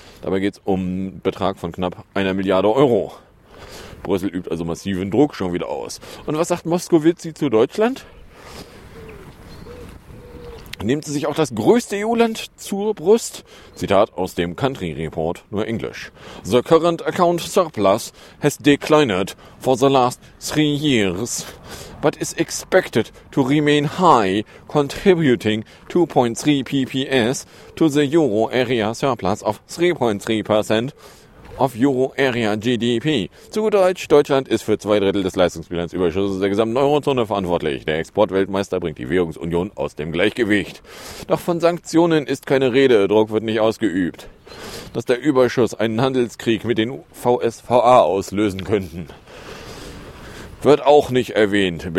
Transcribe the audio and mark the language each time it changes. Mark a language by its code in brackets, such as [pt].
[de] Dabei geht es um einen Betrag von knapp 1 Milliarde Euro. Brüssel übt also massiven Druck schon wieder aus. Und was sagt Moscovici zu Deutschland? Nimmt sie sich auch das größte EU-Land zur Brust? Zitat aus dem Country Report, nur Englisch. [en] The current account surplus has declined for the last 3 years, but is expected to remain high, contributing 2.3 PPS to the euro area surplus of 3.3% of euro area GDP. [de] Zu Deutsch, Deutschland ist für 2/3 des Leistungsbilanzüberschusses der gesamten Eurozone verantwortlich. Der Exportweltmeister bringt die Währungsunion aus dem Gleichgewicht. Doch von Sanktionen ist keine Rede, Druck wird nicht ausgeübt. Dass der Überschuss einen Handelskrieg mit den VSVA auslösen könnten, wird auch nicht erwähnt.